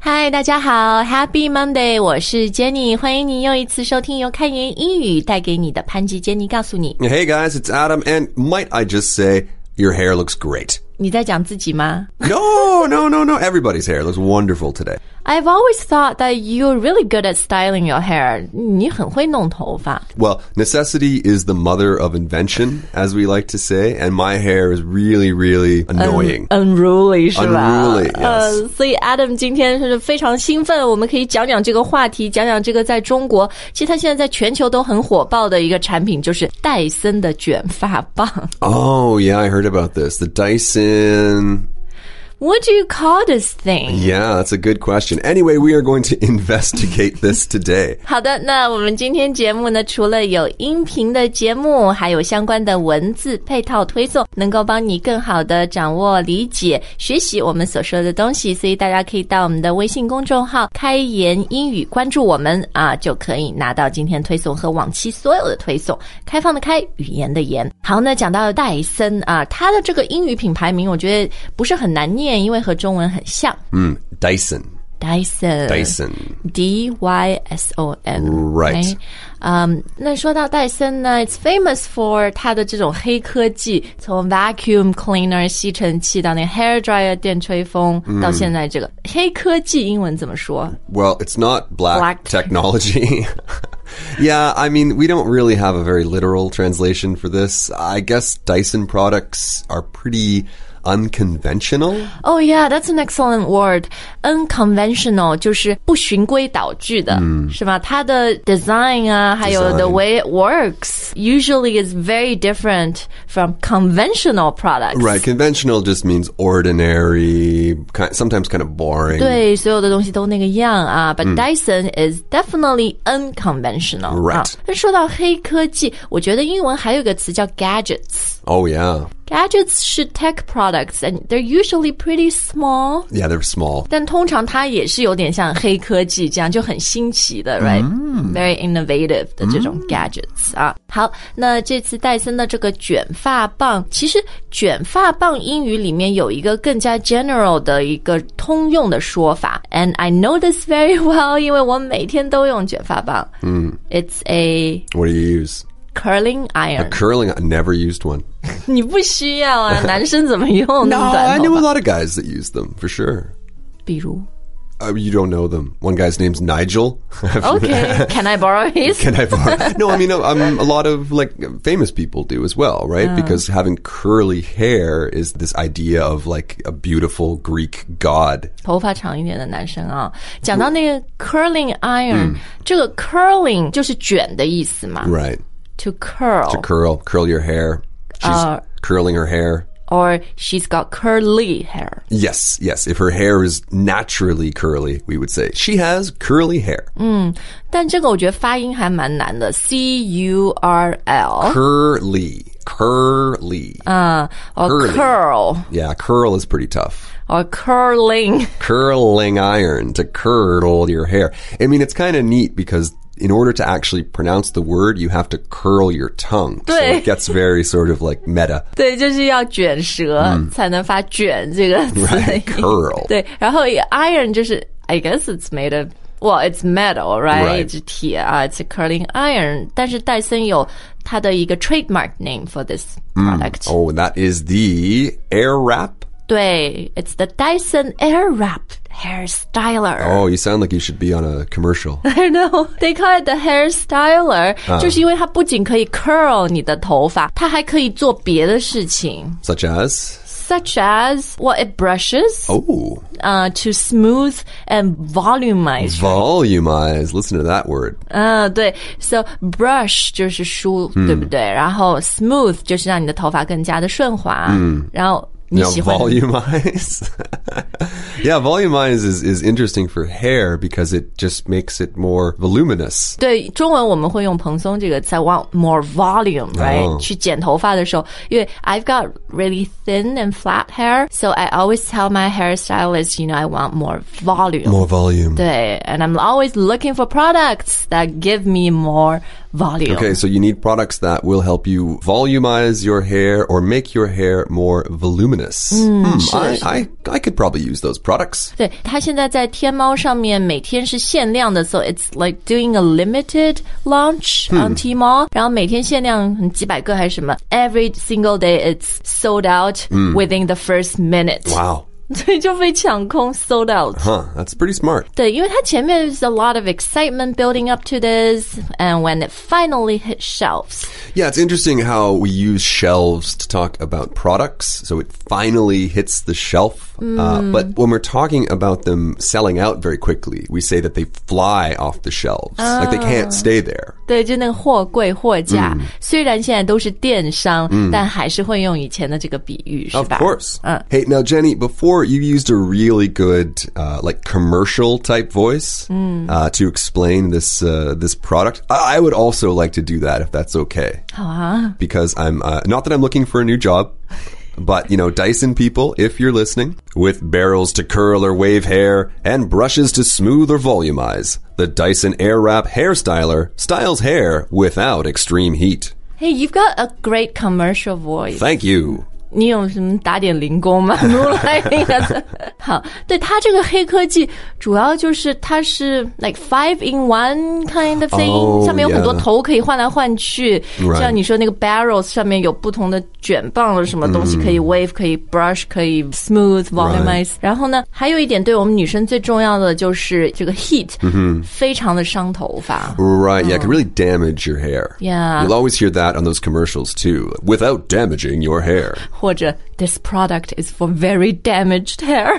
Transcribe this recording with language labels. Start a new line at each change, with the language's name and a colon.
Chinese: 大家好 ，
English: Happy Monday！
Chinese: 我是 Jenny， 欢迎您又一次收听由开言英语带给你的潘吉 Jenny 告诉你。
English: Hey guys, it's Adam, and might I just say your hair looks great?
Chinese: 你在讲自己吗
English: ？No. Everybody's hair looks wonderful today. I've always thought that you're really good at styling your hair.
Chinese: 你很会弄头发。
English: Well, necessity is the mother of invention, as we like to say, and my hair is really, really annoying.
Chinese: Unruly, 是吧
English: ？Unruly, yes.
Chinese: 所以 Adam 今天是非常兴奋，我们可以讲讲这个话题，讲讲这个在中国，其实它现在在全球都很火爆的一个产品，就是戴森的卷发棒。
English: Oh, yeah, I heard about this. The Dyson... What do you call this thing? Yeah, that's a good question. Anyway, we are going to investigate this today.
Chinese: 好的，那我们今天节目呢，除了有音频的节目，还有相关的文字配套推送，能够帮你更好的掌握、理解、学习我们所说的东西。所以大家可以到我们的微信公众号"开言英语"关注我们啊，就可以拿到今天推送和往期所有的推送。开放的开，语言的言。好，那讲到戴森啊，它的这个英语品牌名，我觉得不是很难。念，因为和中文很像。嗯 ，Dyson。 Dyson。 Dyson。
English: Right.
Chinese: 那说到戴森呢 ，
English: it's famous for
Chinese: 它的这种黑科技，从
English: vacuum cleaner
Chinese: 吸尘器到那
English: hair dryer
Chinese: 电吹风，到现在这个黑科技，英文怎么说
English: ？Well, it's not black technology. Yeah, I mean, we don't really have a very literal translation for this. I guess Dyson products are pretty. Unconventional? Oh yeah, that's an excellent word. Unconventional
Chinese: 就是不循规蹈矩的、是吧它的
English: design
Chinese: 啊还有
English: the way it works usually is very different from conventional products. Right, conventional just means ordinary, sometimes kind of boring.
Chinese: 对所有的东西都那个样啊
English: but Dyson is definitely unconventional. Right.、
Chinese: 说到黑科技我觉得英文还有个词叫 gadgets.
English: Oh yeah. Gadgets 是 tech products, and they're usually pretty small. Yeah, they're small.
Chinese: 但通常它也是有点像黑科技这样，就很新奇的 right?、
English: Very innovative
Chinese: 的这种 gadgets、好，那这次戴森的这个卷发棒，其实卷发棒英语里面有一个更加 general 的一个通用的说法。
English: And I know this very well,
Chinese: 因为我每天都用卷发棒。
English: It's a... What do you use? Curling iron. A curling iron. Never used one.
Chinese: 你不需要啊，男生怎么用那么短头发？
English: No, I knew a lot of guys that use them, for sure.
Chinese: 比如?
English: You don't know them. One guy's name's Nigel. Okay, can I borrow his? Can I borrow? No, I mean, a lot of like, famous people do as well, right? Because having curly hair is this idea of like, a beautiful Greek god.
Chinese: 头发长一点的男生啊。讲到那个 curling iron, 这个 curling 就是卷的意思嘛。
English: Right. To curl. To curl. Curl your hair. She's curling her hair. Or she's got curly hair. Yes, yes. If her hair is naturally curly, we would say, she has curly hair.
Chinese: 但这个我觉得发音还蛮难的。
English: C-U-R-L. Curly. Curly. Or curly. Curl. Yeah, curl is pretty tough. Or curling. Curling iron to curl your hair. I mean, it's kind of neat because in order to actually pronounce the word, you have to curl your tongue. So it gets very sort of like meta.
Chinese: 对就是要卷舌才能发卷这个词。
English: Right, curl.
Chinese: 对然后
English: iron
Chinese: 就是
English: I guess it's made of, well, it's metal, right? Right. It's 铁啊 it's a curling iron.
Chinese: 但是戴森有它的一个
English: trademark name for this product.、 Oh, that is the air wrap. 对 it's the Dyson Airwrap hair styler. Oh, you sound like you should be on a commercial. I know. They call it the hair styler.
Chinese: 就是因为它不仅可以 curl 你的头发它还可以做别的事情。
English: Such as? Such as, well, it brushes. Oh. To smooth and volumize. Volumize. Listen to that word.
Chinese: 对 So brush 就是梳对不对然后 smooth 就是让你的头发更加的顺滑。然后
English: You know, volumize. Yeah, volumize is interesting for hair because it just makes it more voluminous.
Chinese: 对中文我们会用蓬松这个词
English: I want more volume, right?、
Chinese: Oh. 去剪头发的时候因为
English: I've got really thin and flat hair, so I always tell my hairstylist, you know, I want more volume. More volume. 对 and I'm always looking for products that give me more volume. volume. Okay, so you need products that will help you volumize your hair or make your hair more voluminous. I could probably use those products.
Chinese: 对，它现在在天猫上面每天是限量的 ，
English: so it's like doing a limited launch on Tmall.
Chinese: 然后每天限量几百个还是什么
English: ？Every single day it's sold out within the first minute. Wow.
Chinese: 所以就被抢空 sold out.
English: Huh, that's pretty smart. 对，
Chinese: 因为它前面
English: is a lot of excitement building up to this, and when it finally hit shelves. Yeah, it's interesting how we use shelves to talk about products. So it finally hits the shelf. But when we're talking about them selling out very quickly, we say that they fly off the shelves. Like they can't stay there.
Chinese: 对，就那个货柜货架，虽然现在都是电商，但还是会用以前的这个比喻，是吧？
English: Of course. Hey, now Jenny, before you used a really good, like commercial type voice, to explain this, this product. I would also like to do that if that's okay.
Chinese: 好啊。
English: Because I'm, not that I'm looking for a new job. But, you know, Dyson people, if you're listening, with barrels to curl or wave hair and brushes to smooth or volumize, the Dyson Airwrap Hairstyler styles hair without extreme heat. Hey, you've got a great commercial voice. Thank you.
Chinese: 你有什么打点零工吗好对它这个黑科技主要就是它是
English: like five in one kind of thing、 oh,
Chinese: 上面有很多头可以换来换去、
English: right.
Chinese: 像你说那个 barrels 上面有不同的卷棒什么东西可以 wave 可以 brush 可以 smooth volumize、
English: right.
Chinese: 然后呢还有一点对我们女生最重要的就是这个 heat、mm-hmm. 非常的伤头发
English: right yeah it can really damage your hair yeah you'll always hear that on those commercials too without damaging your hair
Chinese: 或者
English: this product is for very damaged hair.